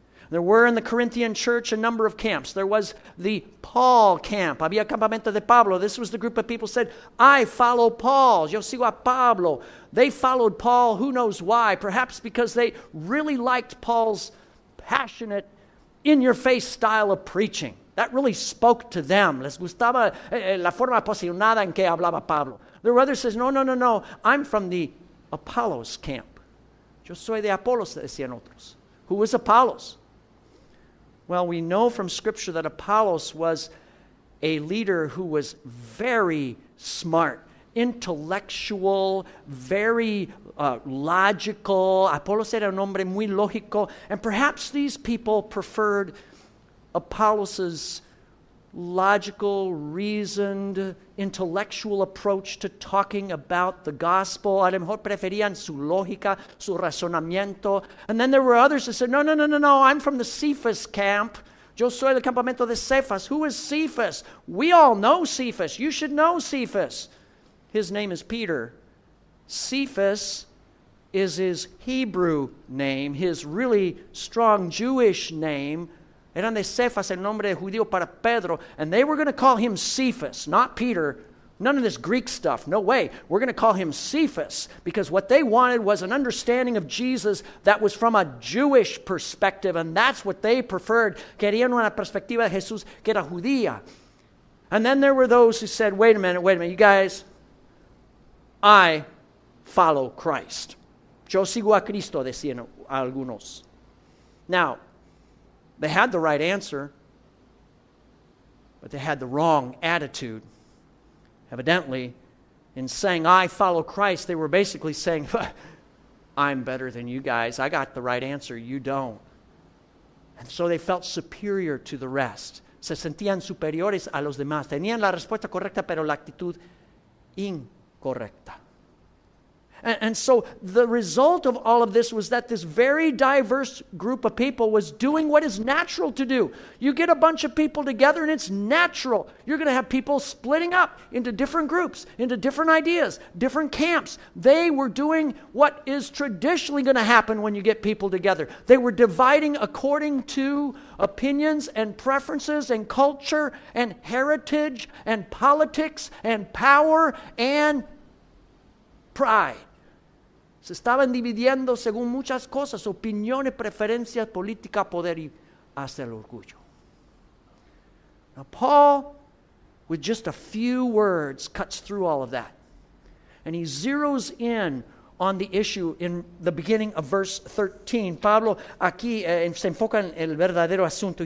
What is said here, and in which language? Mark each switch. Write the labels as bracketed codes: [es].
[en] There were in the Corinthian church a number of camps. There was the Paul camp. [es] Había campamento de Pablo. [en] This was the group of people said, I follow Paul. [es] Yo sigo a Pablo. [en] They followed Paul. Who knows why? Perhaps because they really liked Paul's passionate, in-your-face style of preaching. That really spoke to them. [es] Les gustaba la forma apasionada en que hablaba Pablo. [en] Their brother says, no, I'm from the Apollos camp. [es] Yo soy de Apollos, decían otros. [en] Who was Apollos? Well, we know from Scripture that Apollos was a leader who was very smart, intellectual, very logical. [es] Apollos era un hombre muy lógico. [en] And perhaps these people preferred Apollos's logical, reasoned, intellectual approach to talking about the gospel. [es] A lo mejor preferían su lógica, su razonamiento. [en] And then there were others that said, no, I'm from the Cephas camp. [es] Yo soy del campamento de Cephas. [en] Who is Cephas? We all know Cephas. You should know Cephas. His name is Peter. Cephas is his Hebrew name, his really strong Jewish name. [es] Eran de Cephas, el nombre de judío para Pedro. [en] And they were going to call him Cephas, not Peter. None of this Greek stuff. No way. We're going to call him Cephas. Because what they wanted was an understanding of Jesus that was from a Jewish perspective. And that's what they preferred. [es] Querían una perspectiva de Jesús que era judía. [en] And then there were those who said, wait a minute. You guys, I follow Christ. [es] Yo sigo a Cristo, decían algunos. [en] Now, they had the right answer, but they had the wrong attitude. Evidently, in saying, I follow Christ, they were basically saying, I'm better than you guys. I got the right answer. You don't. And so they felt superior to the rest. [es] Se sentían superiores a los demás. Tenían la respuesta correcta, pero la actitud incorrecta. [en] And so the result of all of this was that this very diverse group of people was doing what is natural to do. You get a bunch of people together and it's natural. You're going to have people splitting up into different groups, into different ideas, different camps. They were doing what is traditionally going to happen when you get people together. They were dividing according to opinions and preferences and culture and heritage and politics and power and pride. [es] Se estaban dividiendo según muchas cosas, opiniones, preferencias, política, poder y hasta el orgullo. [en] Now Paul, with just a few words, cuts through all of that. And he zeroes in on the issue in the beginning of verse 13. [es] Pablo aquí se enfoca en el verdadero asunto.